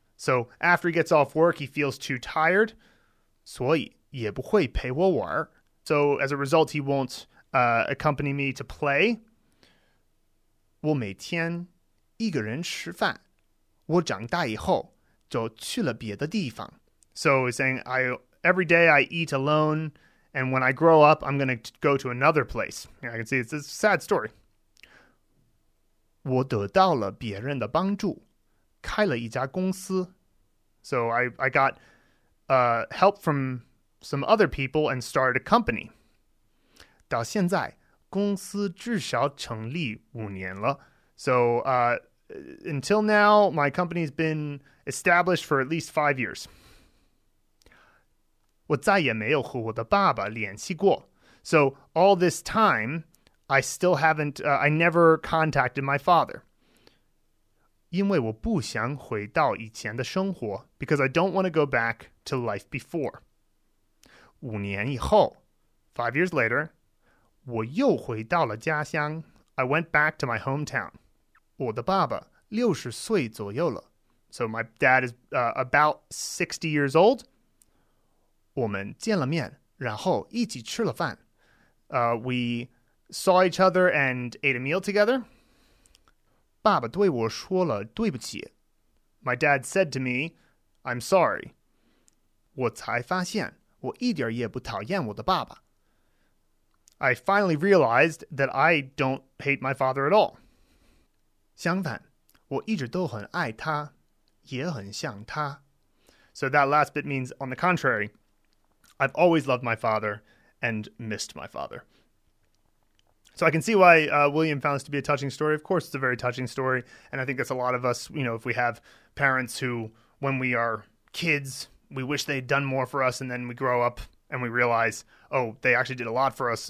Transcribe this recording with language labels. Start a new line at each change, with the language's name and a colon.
English: So after he gets off work, he feels too tired.
Chinese: 所以也不会陪我玩.
English: So as a result, he won't accompany me to play.
Chinese: 我每天一个人吃饭. 我长大以后就去了别的地方.
English: So he's saying, every day I eat alone, and when I grow up, I'm going to go to another place. Yeah, I can see it's a sad story.
Chinese: 我得到了别人的帮助，开了一家公司。
English: So I got help from some other people and started a company.
Chinese: 到现在，公司至少成立五年了。
English: So until now, my company's been established for at least 5 years.
Chinese: 我再也没有和我的爸爸联系过。
English: So all this time, I still haven't, I never contacted my father.
Chinese: 因为我不想回到以前的生活,
English: because I don't want to go back to life before.
Chinese: 五年以后,
English: 5 years later,
Chinese: 我又回到了家乡,
English: I went back to my hometown.
Chinese: 我的爸爸六十岁左右了。
English: So my dad is about 60 years old.
Chinese: 我们见了面,然后一起吃了饭。
English: We saw each other and ate a meal together.
Chinese: 爸爸对我说了对不起。
English: My dad said to me, I'm sorry.
Chinese: 我才发现我一点也不讨厌我的爸爸。
English: I finally realized that I don't hate my father at all.
Chinese: 相反,我一直都很爱他,也很像他。
English: So that last bit means, on the contrary,I've always loved my father and missed my father. So I can see why William found this to be a touching story. Of course, it's a very touching story. And I think that's a lot of us, you know, if we have parents who, when we are kids, we wish they'd done more for us. And then we grow up and we realize, oh, they actually did a lot for us.